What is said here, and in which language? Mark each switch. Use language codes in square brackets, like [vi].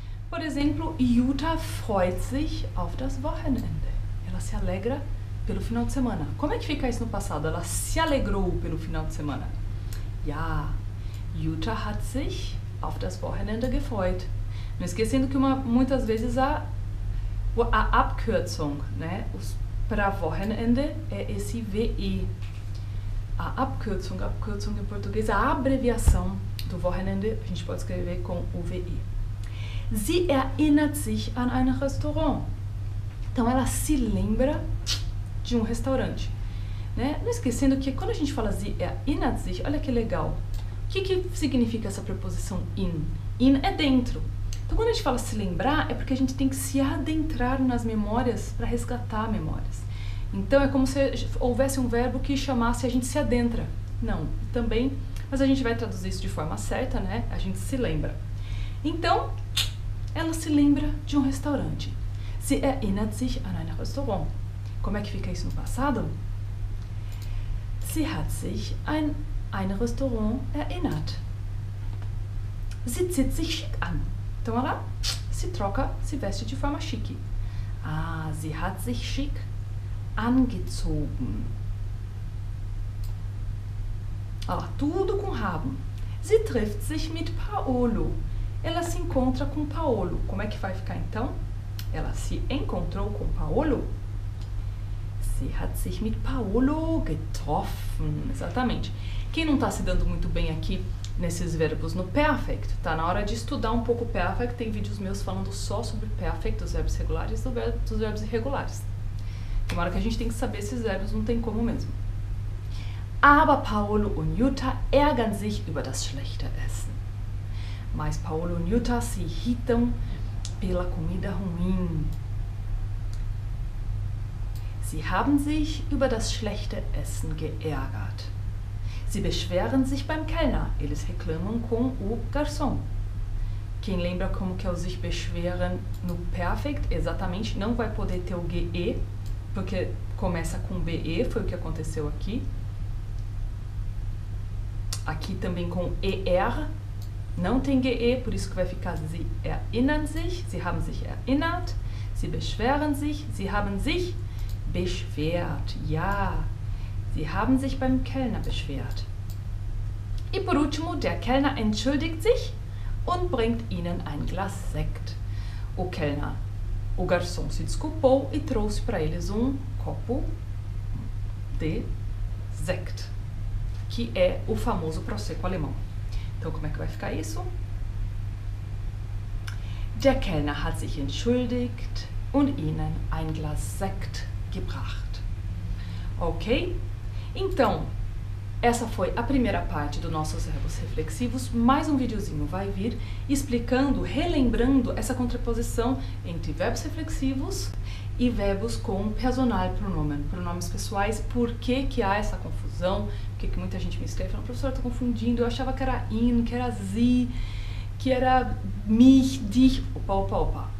[pt] Por exemplo, [de] Jutta freut sich auf das Wochenende. [pt] Ela se alegra pelo final de semana. Como é que fica isso no passado? Ela se alegrou pelo final de semana. [de] Ja, Jutta hat sich auf das Wochenende gefreut. [pt] Não esquecendo que muitas vezes a Abkürzung, né, para Wochenende é esse VE. A Abkürzung em português, a abreviação do Wochenende, a gente pode escrever com o VE. [de] Sie erinnert sich an ein Restaurant. [pt] Então ela se lembra de um restaurante, né? Não esquecendo que quando a gente fala [de] sie erinnert sich, [pt] olha que legal. O que que significa essa preposição in? In é dentro. Então, quando a gente fala se lembrar, é porque a gente tem que se adentrar nas memórias para resgatar memórias. Então, é como se houvesse um verbo que chamasse a gente se adentra. Não, também, mas a gente vai traduzir isso de forma certa, né? A gente se lembra. Então, ela se lembra de um restaurante. [de] Sie erinnert sich an ein Restaurant. [pt] Como é que fica isso no passado? [de] Sie hat sich ein Restaurant erinnert. Sie zieht sich schick an. [pt] Então ela se troca, se veste de forma chique. [de] Ah, sie hat sich schick angezogen. [pt] Ah, tudo com [de] haben. Sie trifft sich mit Paolo. [pt] Ela se encontra com Paolo. Como é que vai ficar então? Ela se encontrou com Paolo? [de] Sie hat sich mit Paolo getroffen. [pt] Exatamente. Quem não está se dando muito bem aqui nesses verbos no perfect, tá na hora de estudar um pouco o perfect. Tem vídeos meus falando só sobre perfect, dos verbos regulares e dos verbos irregulares. Tem uma hora que a gente tem que saber esses verbos, não tem como mesmo. [de] Aber Paolo und Jutta ärgern sich über das schlechte Essen. [pt] Mas Paolo e Jutta se irritam pela comida ruim. [de] Sie haben sich über das schlechte Essen geärgert. Sie beschweren sich beim Kellner. [pt] Eles reclamam com o garçom. Quem lembra como que é o sich beschweren no perfect? Exatamente. Não vai poder ter o GE, porque começa com BE, foi o que aconteceu aqui. Aqui também com ER. Não tem GE, por isso que vai ficar [de] Sie erinnern sich. Sie haben sich erinnert. Sie beschweren sich. Sie haben sich beschwert. Ja. Sie haben sich beim Kellner beschwert. [pt] E por último, [de] der Kellner entschuldigt sich und bringt ihnen ein Glas Sekt. [pt] O Kellner, o garçom, se desculpou e trouxe para eles um copo de Sekt, que é o famoso prosecco alemão. Então, como é que vai ficar isso? [de] Der Kellner hat sich entschuldigt und ihnen ein Glas Sekt gebracht. [pt] Ok? Então, essa foi a primeira parte do nossos verbos reflexivos. Mais um videozinho vai vir explicando, relembrando essa contraposição entre verbos reflexivos e verbos com personal pronomen, pronomes pessoais. Por que que há essa confusão? Por que que muita gente me escreve falando: professor, estou confundindo, eu achava que era ihn, que era sie, que era mich, dich. Opa, opa, opa.